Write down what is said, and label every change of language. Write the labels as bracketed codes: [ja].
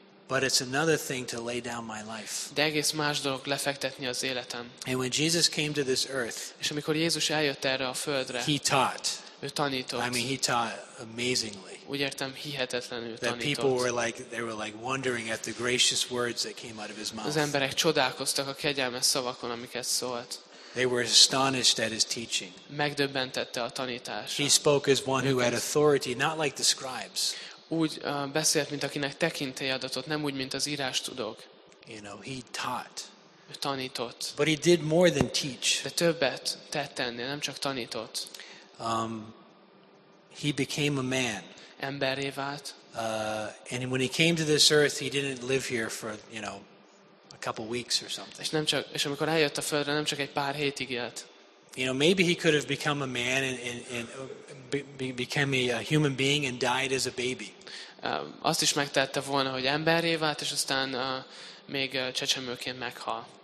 [en] But it's another thing to lay down my life. [hu] De egész más dolog lefektetni az életem. [en] And when Jesus came to this earth, [hu] és amikor Jézus eljött erre a földre, [en] he taught. [hu] Ő tanított. [en] I mean, he taught amazingly. [hu] Úgy értem, hihetetlenül tanított. [en] That people were like, they were like wondering at the gracious words that came out of his mouth. [hu] Az emberek csodálkoztak a kegyelmes szavakon, amiket szólt. [en] They were astonished at his teaching. [hu] Megdöbbentette a tanítása. [en] He spoke as one who had authority, not like the scribes. [hu] Úgy beszélt, mint akinek tekintély adatot, nem úgy, mint az írástudók. [en] You know, he taught. [hu] Ő tanított. [en] But he did more than teach. [hu] De többet tett ennél, nem csak tanított. [en] He became a man. [hu] Emberré vált. [en] And when he came to this earth, he didn't live here for, you know, a couple weeks or something. [hu] És amikor eljött a földre, nem csak egy pár hétig élt. [en] You know, maybe he could have become a man and became a human being and died as a baby. [hu] Azt is megtette volna, hogy emberré vált, és aztán még csecsemőként meghal.